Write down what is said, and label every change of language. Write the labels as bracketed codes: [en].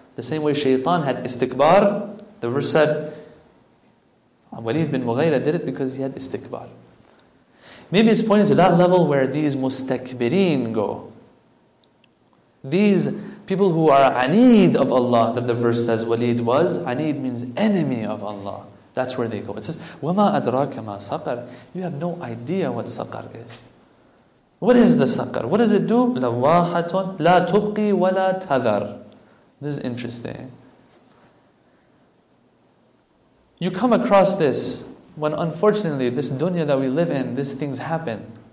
[en] The same way shaitan had istikbar, the verse said Walid bin Mughayra did it because he had istikbar. Maybe it's pointing to that level where these mustakbirin go. These people who are aneed of Allah, that the verse says Walid was. Aneed means enemy of Allah. That's where they go. It says, [ar] وَمَا أَدْرَاكَ مَا سَقَرْ. [en] You have no idea what saqar is. What is the saqar? What does it do? [ar] لَوَّاحَةٌ لَا تُبْقِي وَلَا تَذَرْ. [en] This is interesting. You come across this when unfortunately this dunya that we live in, these things happen.